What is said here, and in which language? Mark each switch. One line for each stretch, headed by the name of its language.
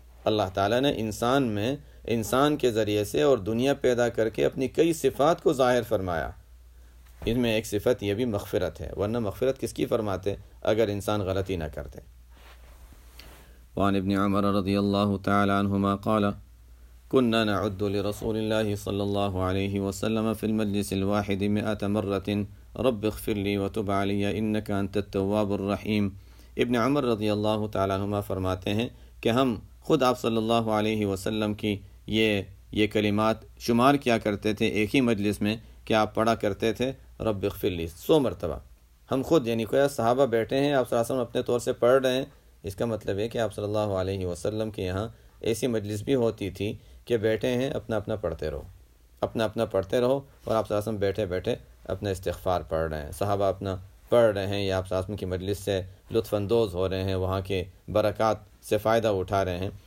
Urdu: اللہ تعالیٰ نے انسان کے ذریعے سے اور دنیا پیدا کر کے اپنی کئی صفات کو ظاہر فرمایا، ان میں ایک صفت یہ بھی مغفرت ہے، ورنہ مغفرت کس کی فرماتے اگر انسان غلطی نہ کرتے۔
Arabic: وعن ابن عمر رضی اللہ تعالی عنہما قال كنا نعد لرسول الله صلى الله عليه وسلم في المجلس الواحد 100 مرة رب اغفر لي وتب علي انك انت التواب الرحيم.
Urdu: ابن عمر رضی اللہ تعالیٰ عنہ فرماتے ہیں کہ ہم خود آپ صلی اللہ علیہ وسلم کی یہ کلمات شمار کیا کرتے تھے ایک ہی مجلس میں کہ آپ پڑھا کرتے تھے
Arabic: رب اغفر لی
Urdu: 100 مرتبہ. ہم خود یعنی کوئی صحابہ بیٹھے ہیں آپ صلی اللہ علیہ وسلم اپنے طور سے پڑھ رہے ہیں, اس کا مطلب ہے کہ آپ صلی اللہ علیہ وسلم کے یہاں ایسی مجلس بھی ہوتی تھی کہ بیٹھے ہیں اپنا اپنا پڑھتے رہو اپنا اپنا پڑھتے رہو اور آپ صلی اللہ علیہ وسلم بیٹھے بیٹھے اپنا استغفار پڑھ رہے ہیں, صحابہ اپنا پڑھ رہے ہیں, یا آپ صلی اللہ علیہ وسلم کی مجلس سے لطف اندوز ہو رہے ہیں, وہاں کے برکات سے فائدہ اٹھا رہے ہیں.